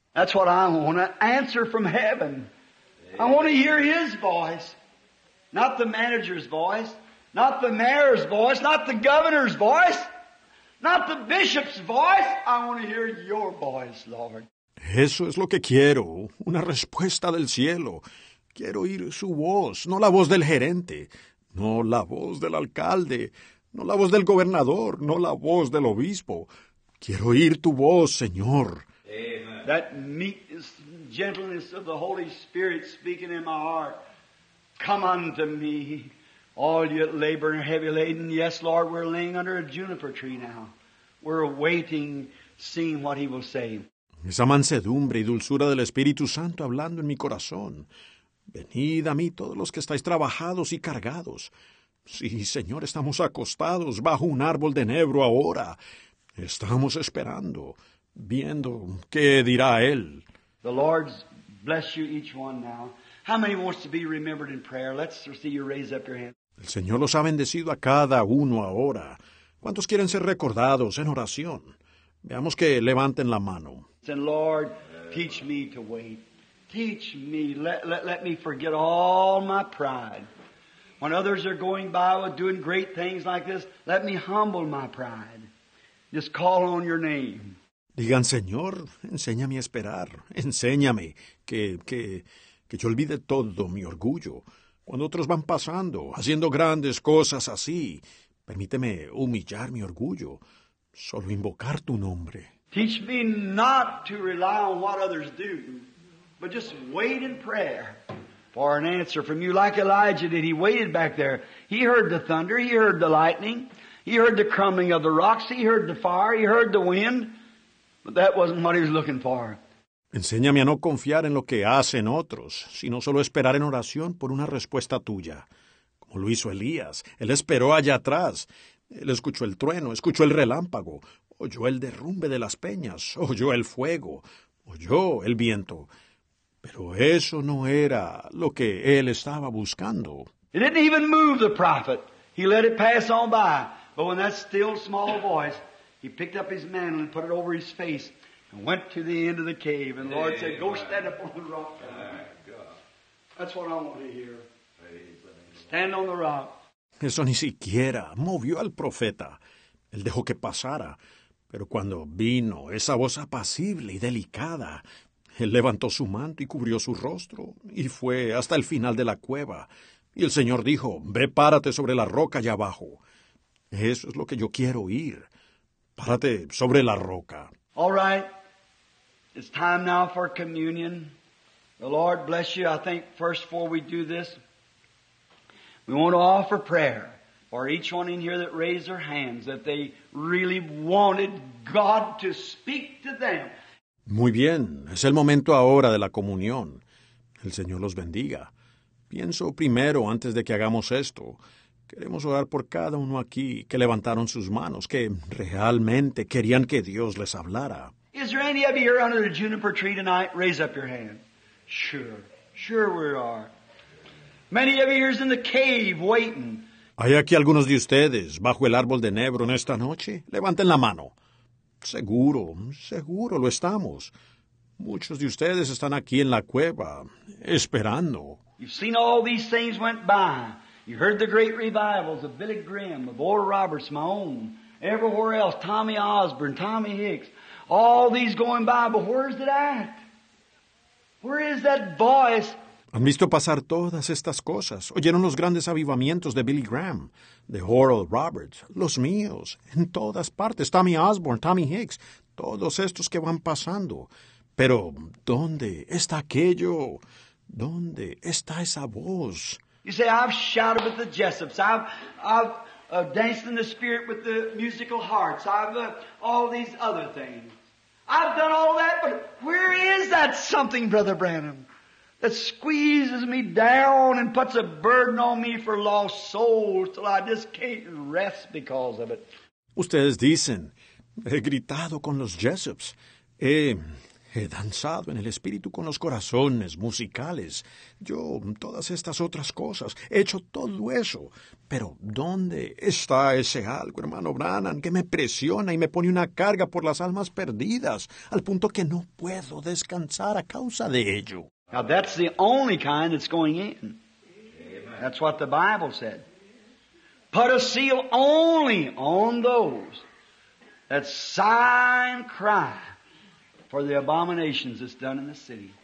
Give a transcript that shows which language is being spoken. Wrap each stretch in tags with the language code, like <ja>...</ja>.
<en>That's what I want, an answer from heaven. I want to hear His voice, not the manager's voice, not the mayor's voice, not the governor's voice, not the bishop's voice. I want to hear your voice, Lord.</en> <es>Eso es lo que quiero, una respuesta del cielo. Quiero oír su voz, no la voz del gerente, no la voz del alcalde, no la voz del gobernador, no la voz del obispo. Quiero oír tu voz, Señor.</es> <en>Amen. That meekness and gentleness of the Holy Spirit speaking in my heart. Come unto me, all you labor and heavy laden. Yes, Lord, we're laying under a juniper tree now. We're waiting, seeing what He will say.</en> <es>Esa mansedumbre y dulzura del Espíritu Santo hablando en mi corazón. Venid a mí todos los que estáis trabajados y cargados. Sí, Señor, estamos acostados bajo un árbol de enebro ahora. Estamos esperando, viendo qué dirá Él.</es> <en>The Lord bless you each one now. How many wants to be remembered in prayer? Let's see you raise up your hand.</en> <es>El Señor los ha bendecido a cada uno ahora. ¿Cuántos quieren ser recordados en oración? Veamos que levanten la mano.</es> <en>And Lord, teach me to wait. Teach me, let me forget all my pride. When others are going by with doing great things like this, let me humble my pride. Just call on your name.</en> <es>Digan, Señor, enséñame a esperar. Enséñame que yo olvide todo mi orgullo. Cuando otros van pasando, haciendo grandes cosas así, permíteme humillar mi orgullo. Solo invocar tu nombre.</es> <en>Teach me not to rely on what others do, but just wait in prayer for an answer from you, like Elijah did. He waited back there. He heard the thunder. He heard the lightning. He heard the crumbling of the rocks. He heard the fire. He heard the wind. But that wasn't what he was looking for.</en> <es>Enséñame a no confiar en lo que hacen otros, sino solo esperar en oración por una respuesta tuya. Como lo hizo Elías. Él esperó allá atrás. Él escuchó el trueno, escuchó el relámpago. Oyó el derrumbe de las peñas, oyó el fuego, oyó el viento. Pero eso no era lo que él estaba buscando.</es> <en>It didn't even move the prophet. He let it pass on by. But when that still small voice, he picked up his mantle and put it over his face and went to the end of the cave. And the Lord said, go stand up on the rock. That's what I want to hear. Stand on the rock.</en> <es>Eso ni siquiera movió al profeta. Él dejó que pasara. Pero cuando vino esa voz apacible y delicada, él levantó su manto y cubrió su rostro y fue hasta el final de la cueva. Y el Señor dijo, ve, párate sobre la roca allá abajo. Eso es lo que yo quiero oír. Párate sobre la roca.</es> <en>All right. It's time now for communion. The Lord bless you. I think first before we do this, we want to offer prayer. For each one in here that raised their hands, that they really wanted God to speak to them.</en> <es>Muy bien, es el momento ahora de la comunión. El Señor los bendiga. Pienso primero, antes de que hagamos esto, queremos orar por cada uno aquí que levantaron sus manos, que realmente querían que Dios les hablara.</es> <en>Is there any of you here under the juniper tree tonight? Raise up your hand. Sure we are. Many of you here in the cave waiting.</en> <es>¿Hay aquí algunos de ustedes bajo el árbol de enebro en esta noche? Levanten la mano. Seguro, seguro lo estamos. Muchos de ustedes están aquí en la cueva, esperando.</es> <en>You've seen all these things went by. You heard the great revivals of Billy Graham, of Oral Roberts, my own, everywhere else, Tommy Osborne, Tommy Hicks, all these going by, but where's it at? Where is that voice?</en> <es>Han visto pasar todas estas cosas. Oyeron los grandes avivamientos de Billy Graham, de Oral Roberts, los míos, en todas partes, Tommy Osborne, Tommy Hicks, todos estos que van pasando. Pero, ¿dónde está aquello? ¿Dónde está esa voz?</es> <en>You say, I've shouted with the Jessups, I've danced in the spirit with the musical hearts, all these other things. I've done all that, but where is that something, Brother Branham? That squeezes me down and puts a burden on me for lost souls till I just can't rest because of it.</en> <es>Ustedes dicen, he gritado con los Jessups, he danzado en el espíritu con los corazones musicales, yo todas estas otras cosas, he hecho todo eso, pero ¿dónde está ese algo, hermano Branham, que me presiona y me pone una carga por las almas perdidas, al punto que no puedo descansar a causa de ello?</es> <en>Now, that's the only kind that's going in. Amen. That's what the Bible said. Put a seal only on those that sigh and cry for the abominations that's done in the city.</en>